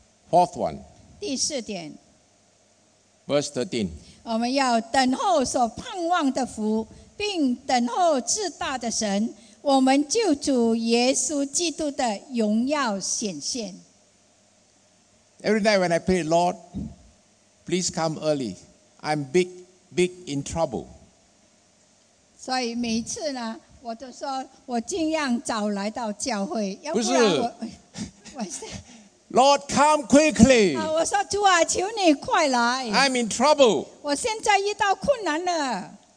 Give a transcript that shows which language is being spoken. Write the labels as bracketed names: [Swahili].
[English] Fourth one. [Chinese] 第四点。 [English] Verse 13. [Chinese] 我们要等候所盼望的福，并等候至大的神，我们救主耶稣基督的荣耀显现。 [English] Every night when I pray, Lord, please come early. I'm big, big in trouble. [Chinese] 所以每一次呢，我都说我尽量早来到教会，要不然我不是 [English] Lord, come quickly. [Chinese] 我说主啊，求你快来。 [English] I'm in trouble. [Chinese] 我现在遇到困难了。